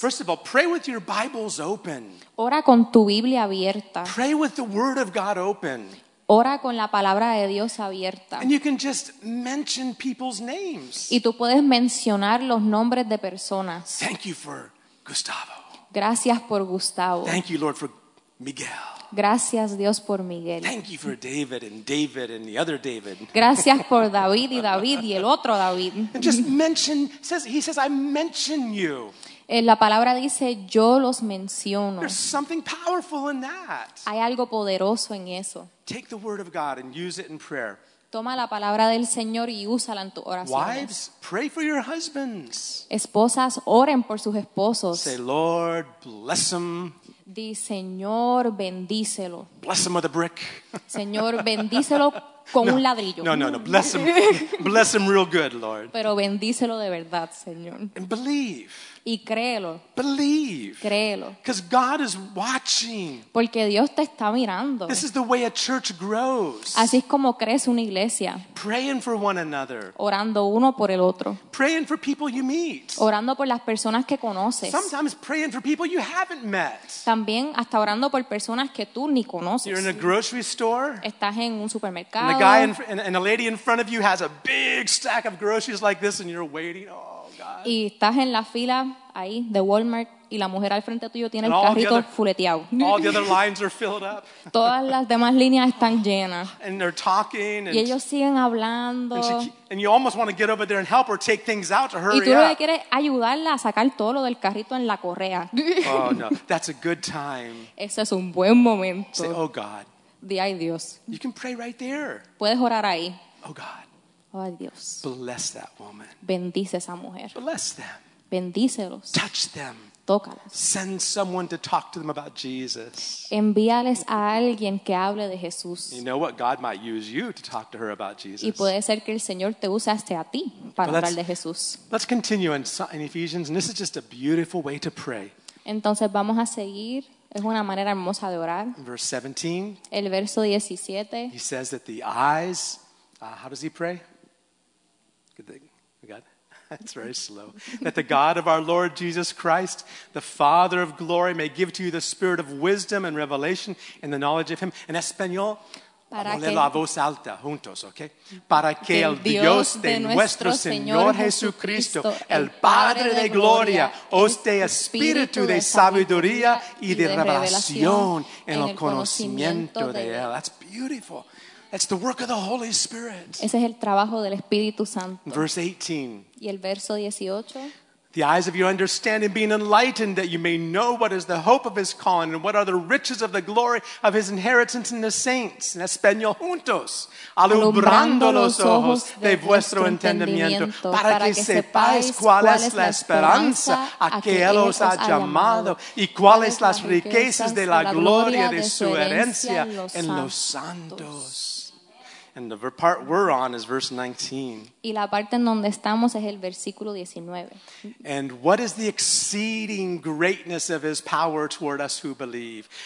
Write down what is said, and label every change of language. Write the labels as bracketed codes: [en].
[en] First of all, pray with your Bibles open. [es] Ora con tu Biblia abierta. [en] Pray with the Word of God open. [es] Ora con la palabra de Dios abierta. [en] And you can just mention people's names. [es] Y tú puedes mencionar los nombres de personas. [en] Thank you for Gustavo. [es] Gracias por Gustavo. [en] Thank you, Lord, for Miguel. [es] Gracias Dios por Miguel. [en] Thank you for David and David and the other David. [es] Gracias por David y David y el otro David. [en] And just mention, he says, I mention you. [es] La palabra dice, yo los menciono. [en] There's something powerful in that. [es] Hay algo poderoso en eso. [en] Take the word of God and use it in prayer. [es] Toma la palabra del Señor y úsala en tu oración. [en] Wives, pray for your husbands. [es] Esposas, oren por sus esposos. [en] Say, Lord, bless them. [es] Di, Señor, bendícelo. [en] Bless him with a brick. [es] Señor, bendícelo con un ladrillo. [en] No. Bless him. Bless him real good, Lord. [es] Pero bendícelo de verdad, Señor. [en] And believe. [es] Y créelo. [en] Believe. [es] Créelo. [en] Because God is watching. [es] Porque Dios te está mirando. [en] This is the way a church grows. [es] Así es como crece una iglesia. [en] Praying for one another. [es] Orando uno por el otro. [en] Praying for people you meet. [es] Orando por las personas que conoces. [en] Sometimes praying for people you haven't met. [es] También hasta orando por personas que tú ni conoces. [en] You're in a grocery store. [es] Estás en un supermercado. [en] And the guy and the lady in front of you has a big stack of groceries like this, and you're waiting. Oh. [es] Y estás en la fila ahí de Walmart y la mujer al frente tuyo tiene el carrito fuleteado. [en] All the other lines are filled up. [es] Todas las demás líneas están llenas. [en] And they're talking. [es] Y ellos siguen hablando. [en] And you almost want to get over there and help her take things out to hurry up. [es] Y tú lo que quieres ayudarla a sacar todo lo del carrito en la correa. [en] Oh no, that's a good time. [es] Ese es un buen momento. [en] Say, oh God. [es] Di ay Dios. [en] You can pray right there. [es] Puedes orar ahí. [en] Oh God. [es] Oh Dios. [en] Bless that woman. [es] Bendice esa mujer. [en] Bless them. [es] Bendícelos. [en] Touch them. [es] Tócalos. [en] Send someone to talk to them about Jesus. [es] Envíales a alguien que hable de Jesús. [en] You know what? God might use you to talk to her about Jesus. [es] Y puede ser que el Señor te use hasta a ti para hablar de Jesús. [en] Let's continue in Ephesians, and this is just a beautiful way to pray. [es] Entonces vamos a seguir. Es una manera hermosa de orar. [en] Verse 17. [es] El verso 17. [en] He says that the eyes. How does he pray? Good thing. That's very slow. That the God of our Lord Jesus Christ, the Father of glory, may give to you the spirit of wisdom and revelation in the knowledge of him. [es] En español, ponle la voz alta juntos, okay? Para que el Dios de nuestro Señor Jesucristo, el Padre de gloria, os dé espíritu de sabiduría y de revelación en el conocimiento de él. [en] That's beautiful. That's the work of the Holy Spirit. [es] Ese es el trabajo del Espíritu Santo. [en] Verse 18. [es] Y el verso 18. [en] The eyes of your understanding being enlightened, that you may know what is the hope of his calling and what are the riches of the glory of his inheritance in the saints. [es] En español juntos. Alumbrando los ojos de vuestro entendimiento. Para que sepáis cuál es la esperanza a que él os ha llamado y cuáles las riquezas de la gloria de su herencia en los santos. [en] And the part we're on is verse 19. [es] Y la parte en donde estamos es el versículo 19. [en] And what is the exceeding greatness of his power toward us who believe?